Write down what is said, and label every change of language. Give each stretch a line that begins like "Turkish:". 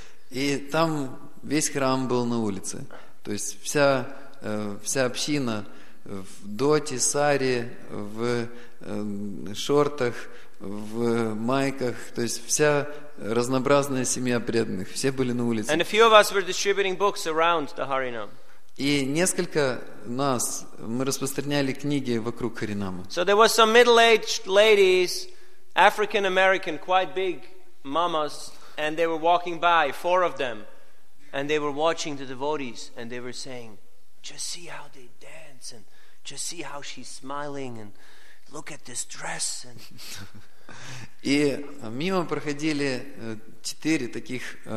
Russian: И там весь храм был на улице. То есть вся община в доти, сари, в шортах, в майках, то есть вся разнообразная семья преданных, все были на улице.
English: And a few of us were distributing books around the Harinam.
Russian: И несколько нас, мы распространяли книги вокруг Харинама.
English: So there were some middle-aged ladies, African-American, quite big mamas, and they were walking by, four of them, and they were watching the devotees, and they were saying, just see how they dance, and just see how she's smiling, and look at this dress. And...
Russian: И мимо проходили четыре таких